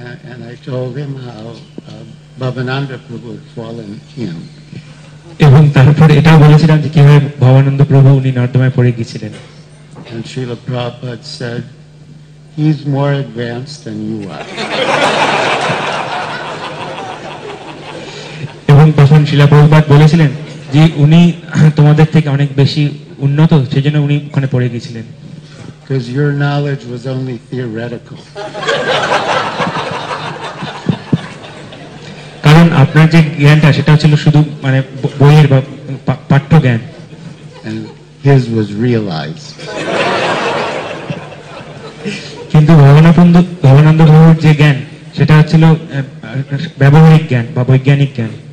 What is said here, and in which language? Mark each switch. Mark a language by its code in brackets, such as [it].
[en] And I told him how Bhavananda Prabhu had fallen in. [bn] এবং তারপর এটা বলেছিলাম যে কিভাবে ভবানন্দ প্রভু উনি নর্দমায় পড়ে গিয়েছিলেন. [en] And Srila Prabhupada said, he's more advanced than you are. [bn] এবং তখন শ্রীলা প্রভুপাদ বলেছিলেন যে উনি তোমাদের থেকে অনেক বেশি উন্নত সেজন্য উনি ওখানে পড়ে গিয়েছিলেন. [en] Because your knowledge was only theoretical. [bn] কারণ আপনার যে জ্ঞানটা সেটা ছিল শুধু মানে বইয়ের বা পাঠ্য জ্ঞান. [en] And his was realized. [bn] কিন্তু ভবানন্দ প্রভুর যে জ্ঞান সেটা ছিল ব্যবহারিক জ্ঞান বা বৈজ্ঞানিক জ্ঞান.